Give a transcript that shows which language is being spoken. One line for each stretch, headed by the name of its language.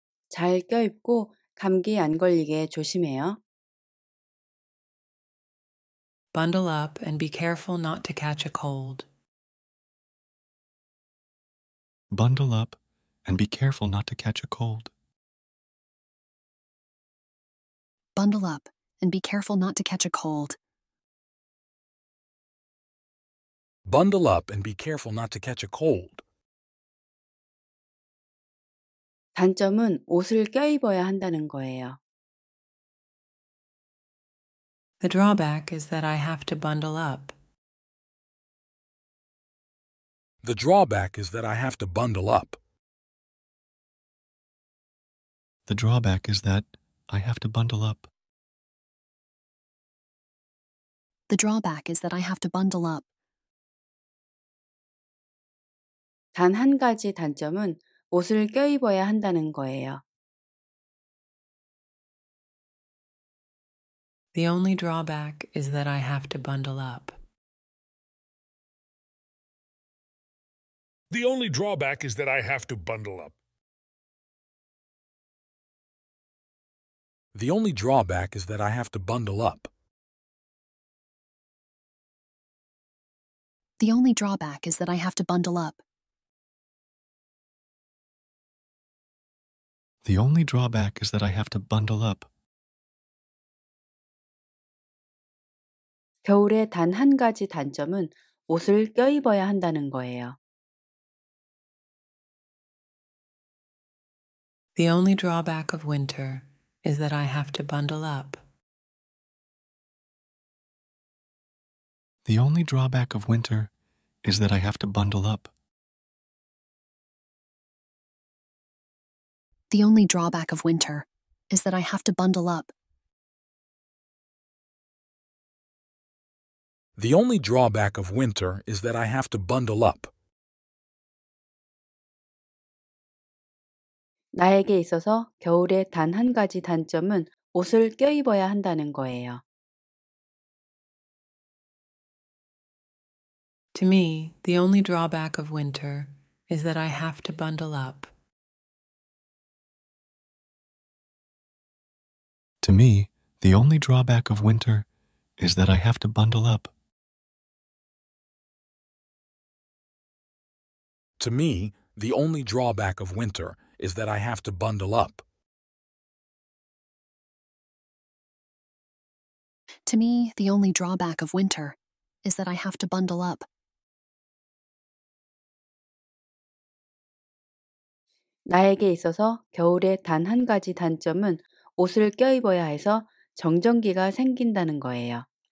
Korean: 잘 껴입고 감기 안 걸리게 조심해요.
English: Bundle up and be careful not to catch a cold. Bundle up and be careful not to catch a cold. Bundle up and be careful not to catch a cold. Bundle up and be careful not to catch a cold.
Korean: 단점은 옷을 껴입어야 한다는 거예요.
English: The drawback is that I have to bundle up. The drawback is that I have to bundle up. The drawback is that I have to bundle up. The drawback is that I have to bundle up.
Korean: 단 한 가지 단점은 옷을 껴입어야 한다는 거예요.
English: The only drawback is that I have to bundle up. The only drawback is that I have to bundle up. The only drawback is that I have to bundle up. The only drawback is that I have to bundle up. The only drawback is that I have to bundle up.
Korean: 겨울에 단 한 가지 단점은 옷을 껴입어야 한다는 거예요.
English: The only drawback of winter is that I have to bundle up. The only drawback of winter is that I have to bundle up. The only drawback of winter is that I have to bundle up. The only drawback of winter is that I have to bundle up.
Korean: 나에게 있어서 겨울에 단 한 가지 단점은 옷을 껴입어야 한다는 거예요.
English: To me, the only drawback of winter is that I have to bundle up. To me, the only drawback of winter is that I have to bundle up. To me, the only drawback of winter is that I have to bundle up. To me, the only drawback of winter is that I have to bundle up.
Korean: 나에게 있어서 겨울의 단 한 가지 단점은 옷을 껴입어야 해서 정전기가 생긴다는 거예요.